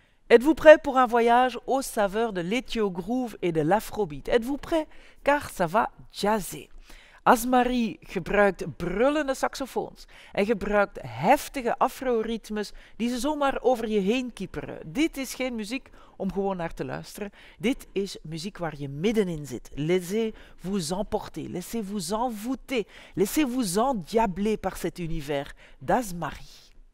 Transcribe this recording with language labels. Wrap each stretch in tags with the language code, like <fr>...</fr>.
<fr>Êtes-vous prêt pour un voyage aux saveurs de l'ethio groove et de l'afrobeat? Êtes-vous prêt? Car ça va jazzer.</fr> <nl>Azmari gebruikt brullende saxofoons en gebruikt heftige afro-ritmes die ze zomaar over je heen kieperen. Dit is geen muziek om gewoon naar te luisteren. Dit is muziek waar je middenin zit.</nl> <fr>Laissez-vous emporter, laissez-vous envoûter, laissez-vous endiabler par cet univers d'Azmari.</fr>